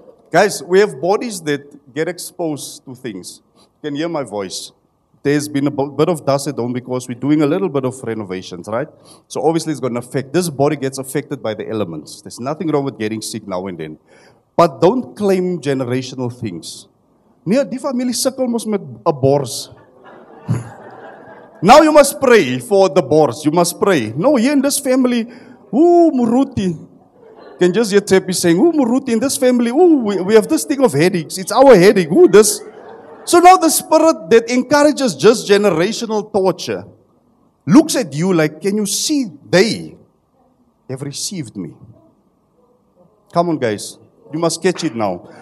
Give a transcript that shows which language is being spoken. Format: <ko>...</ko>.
<en>Guys, we have bodies that get exposed to things. Can hear my voice. There's been a bit of dust at home because we're doing a little bit of renovations, right? So obviously it's going to affect. This body gets affected by the elements. There's nothing wrong with getting sick now and then. But don't claim generational things.</en> <af>Nee, die familie sikkel mos met 'n bors.</af> <en>Now you must pray for the bors. You must pray. No, here in this family, ooh, Muruti. Can just hear Tepi saying, ooh, Muruti, in this family, ooh, we have this thing of headaches. It's our headache. Ooh, this... So now the spirit that encourages just generational torture looks at you like, can you see they have received me? Come on, guys. You must catch it now.</en>